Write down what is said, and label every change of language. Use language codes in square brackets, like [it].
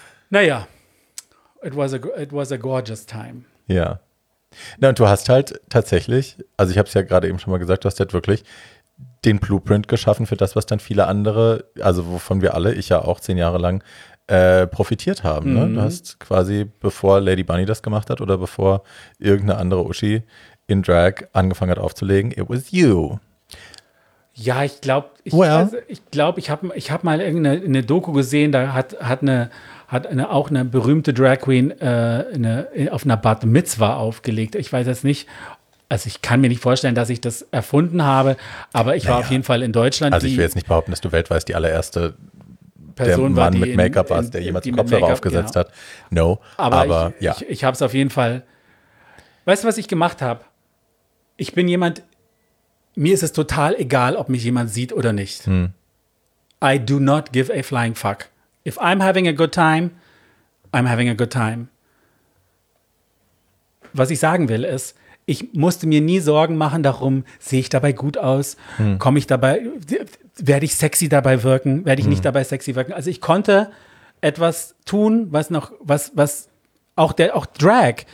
[de] Naja, [en] it was a gorgeous time. [de] Ja. Na, und du hast halt tatsächlich, also ich habe es ja gerade eben schon mal gesagt, du hast halt wirklich den Blueprint geschaffen für das, was dann viele andere, also wovon wir alle, ich ja auch 10 Jahre lang, profitiert haben. Mhm. Ne? Du hast quasi, bevor Lady Bunny das gemacht hat oder bevor irgendeine andere Uschi in Drag angefangen hat aufzulegen, [en] it was you. [de] Ja, ich glaube, ich habe mal irgendeine Doku gesehen, da hat eine auch eine berühmte Drag Queen auf einer Bat Mitzvah aufgelegt. Ich weiß jetzt nicht, also ich kann mir nicht vorstellen, dass ich das erfunden habe, aber ich war auf jeden Fall in Deutschland. Also ich will jetzt nicht behaupten, dass du weltweit die allererste Person der Mann war, die mit Make-up war, der jemals Kopfhörer aufgesetzt hat. [en] No, [de] aber ja. Ich habe es auf jeden Fall. Weißt du, was ich gemacht habe? Ich bin jemand, mir ist es total egal, ob mich jemand sieht oder nicht. [en] I do not give a flying fuck. If I'm having a good time, I'm having a good time. [de] Was ich sagen will ist, ich musste mir nie Sorgen machen darum, sehe ich dabei gut aus, werde ich sexy dabei wirken, werde ich nicht dabei sexy wirken. Also ich konnte etwas tun, was auch Drag.